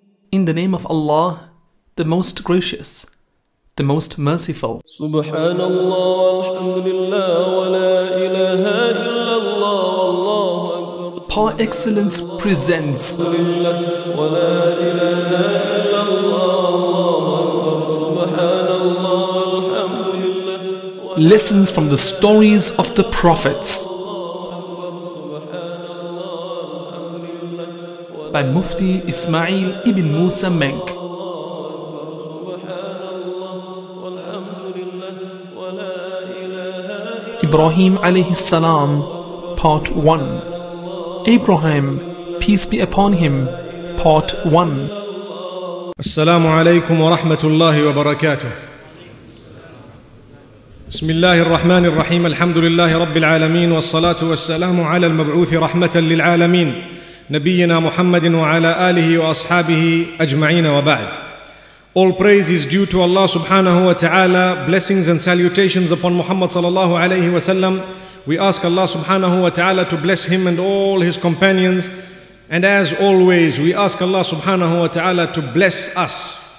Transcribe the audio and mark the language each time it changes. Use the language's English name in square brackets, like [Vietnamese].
[English] In the name of Allah, the Most Gracious, the Most Merciful. [Arabic] سبحان الله والحمد لله ولا إله إلا الله والله أكبر. [English] Par excellence presents. Lessons from the stories of the prophets by Mufti Ismail ibn Musa Menk. Ibraheem alayhi salam, part 1. Abraham, peace be upon him, part 1. Assalamu alaykum wa rahmatullahi wa barakatuh. [Arabic] بسم الله الرحمن الرحيم الحمد لله رب العالمين والصلاة والسلام على المبعوث رحمة للعالمين نبينا محمد وعلى آله وأصحابه أجمعين وبعد. [English] All praise is due to Allah [Arabic] سبحانه وتعالى. [English] Blessings and salutations upon Muhammad [Arabic] صلى الله عليه وسلم. [English] We ask Allah [Arabic] سبحانه وتعالى [English] to bless him and all his companions. And as always, we ask Allah [Arabic] سبحانه وتعالى [English] to bless us.